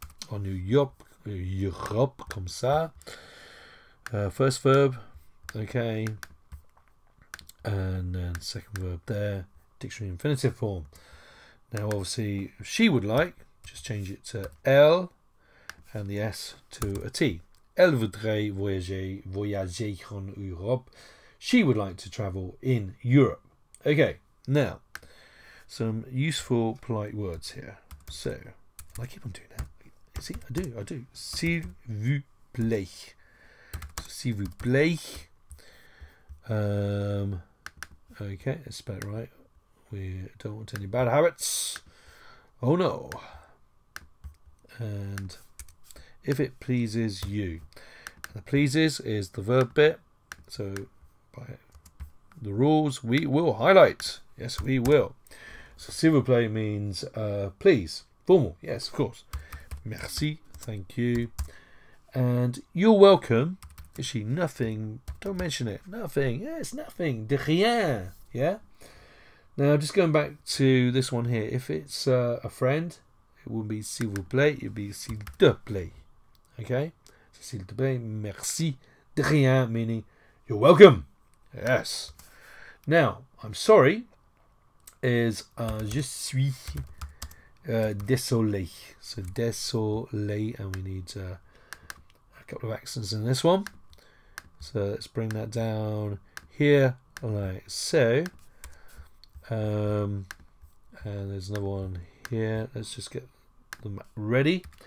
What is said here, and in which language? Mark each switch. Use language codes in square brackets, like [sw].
[fr] En Europe, comme ça. [en] First verb, okay. And then second verb there, dictionary infinitive form. Now, obviously, if she would like, just change it to elle and the S to a T. [fr] Elle voudrait voyager en Europe. [en] She would like to travel in Europe. Okay, now, some useful polite words here. So, I keep on doing that. See, I do. [fr] S'il vous plaît. S'il vous plaît. [en] Okay, I spell it right. We don't want any bad habits. Oh no. And if it pleases you. The pleases is the verb bit. So by the rules, we will highlight. Yes, we will. So [fr] s'il vous plaît [en] means please. Formal. Yes, of course. [fr] Merci. [en] Thank you. And you're welcome. Is she nothing? Don't mention it. Nothing. Yeah, it's nothing. [fr] De rien. [en] Yeah. Now, just going back to this one here. If it's a friend, it wouldn't be [fr] s'il vous plaît. [en] It'd be [fr] s'il te plaît. [en] Okay, [fr] s'il te plaît, merci, de rien, [en] meaning you're welcome. Yes. Now, I'm sorry is [fr] je suis désolé. [en] So, désolé, and we need a couple of accents in this one. So, let's bring that down here like so. And there's another one here. Let's just get them ready.